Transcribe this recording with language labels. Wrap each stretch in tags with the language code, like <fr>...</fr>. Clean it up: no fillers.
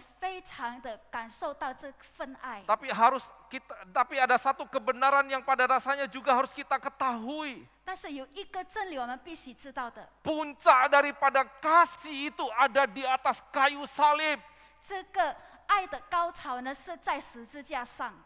<zh>圣诞时刻我们非常的感受到这份爱.</zh> <id>Tapi ada satu kebenaran yang pada dasarnya juga harus kita ketahui.</id> <zh>但是有一个真理我们必须知道的.</zh> <id>Puncak daripada kasih itu ada di atas kayu salib.</id> <zh>这个爱的高潮呢是在十字架上.</zh>